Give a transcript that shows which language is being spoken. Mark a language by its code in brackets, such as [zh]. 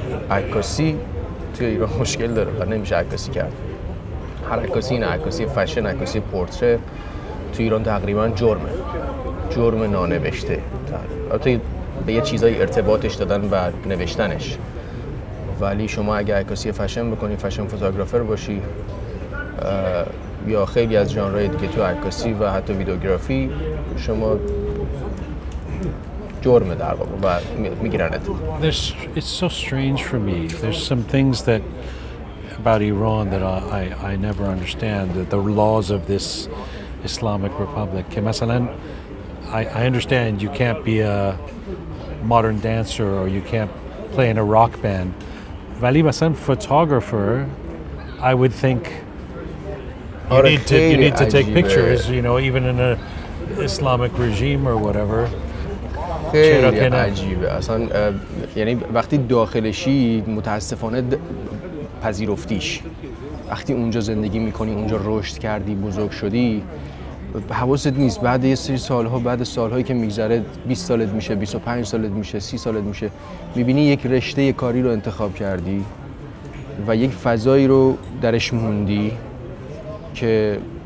[fa] عکاسی تو ایران مشکل داره و نمیشه عکاسی کرد هر عکاسی این عکاسی فشن عکاسی پورتره تو ایران تقریبا جرمه جرم نانوشته حتی به یه چیزایی ارتباطش دادن و نوشتنش ولی شما اگه عکاسی فشن بکنی فشن فوتوگرافر باشی یا خیلی از ژانرهای دیگه تو عکاسی و حتی ویدیوگرافی شما جرم در واقع و میگیرنت [en] It's so strange for me there's some things that about Iran that I never understand the laws of this Islamic republic [fa] که مثلا [en] I understand you can't be a modern dancer or you can't play in a rock band [fa] ولی مثلا [en] photographer I would think you need to take pictures you know even in a Islamic regime or whatever [fa] خیلی عجیبه اصلا یعنی وقتی داخلشی متاسفانه پذیرفتیش وقتی اونجا زندگی میکنی اونجا رشد کردی بزرگ شدی حواست نیست بعد یه سری سالها بعد سالهایی که میگذره 20 سالت میشه 25 سالت میشه 30 سالت میشه میبینی یک رشته کاری رو انتخاب کردی و یک فضایی رو درش موندی که